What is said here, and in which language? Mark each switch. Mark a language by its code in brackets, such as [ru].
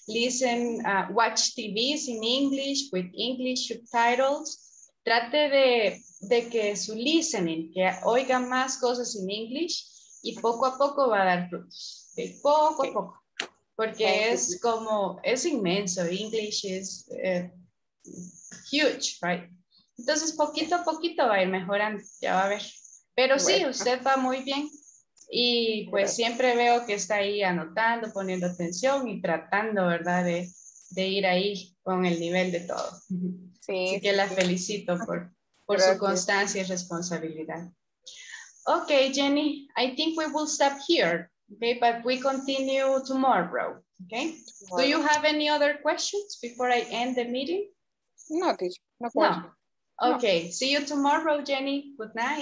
[en] Listen, watch TVs in English with English subtitles. [es] Trate de que su listening, que oiga más cosas en English. Y poco a poco va a dar frutos. Okay, poco a poco. Porque es como, es inmenso. [en] English is huge, right? [es] Entonces, poquito a poquito va a ir mejorando. Ya va a ver. Pero sí, usted va muy bien. Y pues siempre veo que está ahí anotando, poniendo atención y tratando, ¿verdad? De ir ahí con el nivel de todo. Sí, así que la felicito por su constancia y responsabilidad. [en] Okay, Jenny, I think we will stop here, okay? But we continue tomorrow, okay? Tomorrow. Do you have any other questions before I end the meeting? No, teacher, no questions. No. Okay, no. See you tomorrow, Jenny. Good night.